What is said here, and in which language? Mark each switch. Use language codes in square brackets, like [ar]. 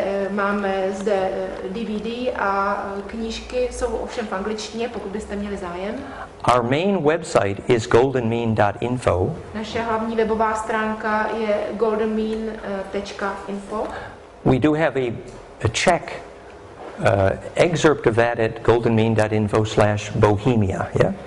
[cs] Máme zde DVD a knížky jsou ovšem v angličtině, pokud byste měli zájem. [en] Our main website is goldenmean.info. [cs] Naše hlavní webová stránka je goldenmean.info. [en] We do have a Czech excerpt of that at goldenmean.info/bohemia, yeah?